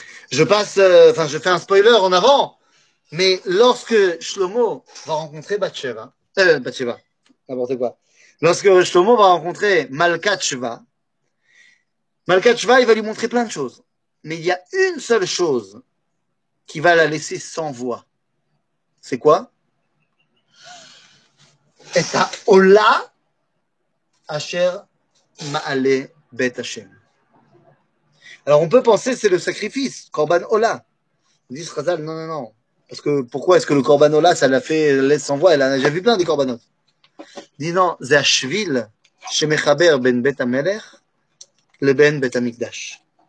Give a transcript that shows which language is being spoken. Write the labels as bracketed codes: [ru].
[fr] Je fais un spoiler en avant, mais lorsque Shlomo va rencontrer Bathsheba, n'importe quoi, lorsque Shlomo va rencontrer Malkat Shva, il va lui montrer plein de choses. Mais il y a une seule chose qui va la laisser sans voix. C'est quoi ? [he] את העולה אשר מעלה בית השם. [fr] Alors on peut penser c'est le sacrifice, korban ola. Ils disent Chazal, non non non. Parce que pourquoi est-ce que le korban ola ça l'a fait laisse sans voix, elle en a déjà vu plein des korbanot. Dis non, c'est à [he] shvil shemechaber ben bet hamelech le ben bet hamikdash.